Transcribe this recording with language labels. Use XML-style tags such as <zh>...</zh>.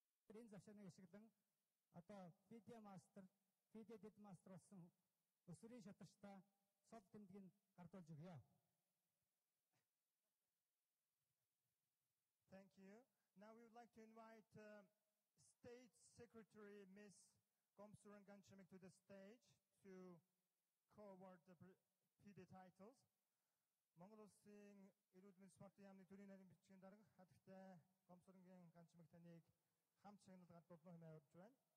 <mn>Энэ завшааныг ашиглан одоо FIDE Master болсон өсвөрийн шатарчтай сол тэмдгийг гардуулж өгье.</mn> <en>Thank you. Now we would like to invite State Secretary Ms. Gomsuran Ganchamik to the stage to co-award the FIDE titles.</en> <mn>Монгол улсын эрүүл мэндийн спортын яамны төрийн нарийн бичгийн дарга хатагтай Гомсурангийн Ганчамик таныг хамт шагналд гадуулсан хэмээн урьж байна.</mn>